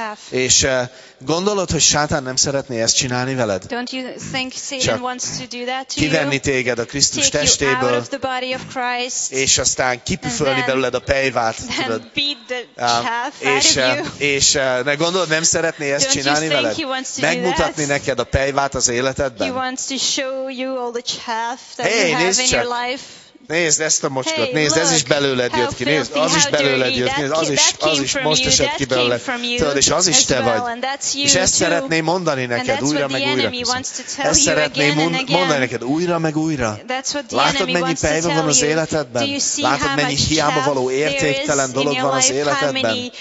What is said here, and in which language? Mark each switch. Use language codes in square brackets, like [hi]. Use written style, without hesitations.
[hu] És gondolod, hogy Sátán nem szeretné ezt csinálni veled? [en] Don't you think Satan wants to do that to you? [hu] Kivenni téged a Krisztus testéből, [en] out of the body of Christ, [hu] és aztán kipüfölni belőled a pejvát, tudod? [en] Beat the chaff out of you. [hu] És ne gondolod, nem szeretné ezt [en] don't [hu] csinálni veled? Megmutatni neked a pejvát az életedben? [en] He wants to show you all the chaff that you have in your life. [hu] Nézd ezt a mocskot, nézd, ez is belőled jött ki, nézd, az is belőled jött ki, az is most esett ki belőled, és az is te vagy. És ezt szeretném mondani neked újra meg újra. Ezt szeretném mondani neked újra meg újra. Látod, mennyi pejve van az életedben? Látod, mennyi hiába való értéktelen dolog van az életedben?